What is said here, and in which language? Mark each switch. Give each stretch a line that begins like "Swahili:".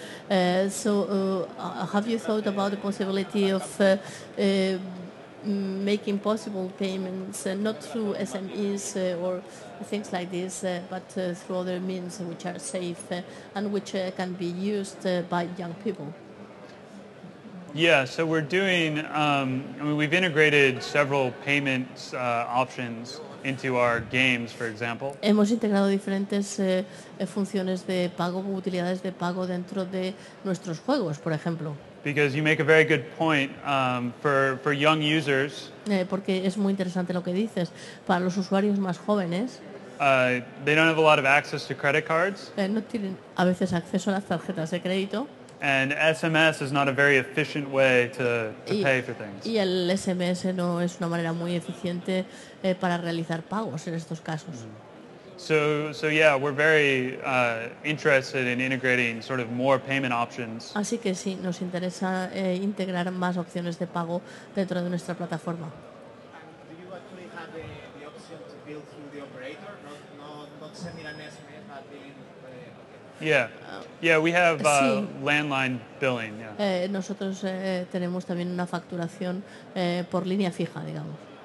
English: Have you thought about the possibility of making possible payments not through SMEs or things like this, but through other means which are safe and which can be used by young people? Yeah, so we're doing, we've integrated several payments options into our games, for example.
Spanish: Hemos integrado diferentes funciones de pago, utilidades de pago dentro de nuestros juegos, por ejemplo.
English: Because you make a very good point for young users.
Spanish: Porque es muy interesante lo que dices. Para los usuarios más jóvenes.
English: They don't have a lot of access to credit cards.
Spanish: No tienen a veces acceso a las tarjetas de crédito.
English: And SMS is not a very efficient way to pay for things.
Spanish: Y el SMS no es una manera muy eficiente para realizar pagos en estos casos. Mm-hmm.
English: So yeah, we're very interested in integrating sort of more payment options.
Spanish: Así que sí, nos interesa integrar más opciones de pago dentro de nuestra plataforma.
English: Do you actually have the option to build through the operator, not sending an SMS, but billing? Yeah, we have landline billing. Yeah.
Spanish: Nosotros tenemos también una facturación por línea fija, digamos.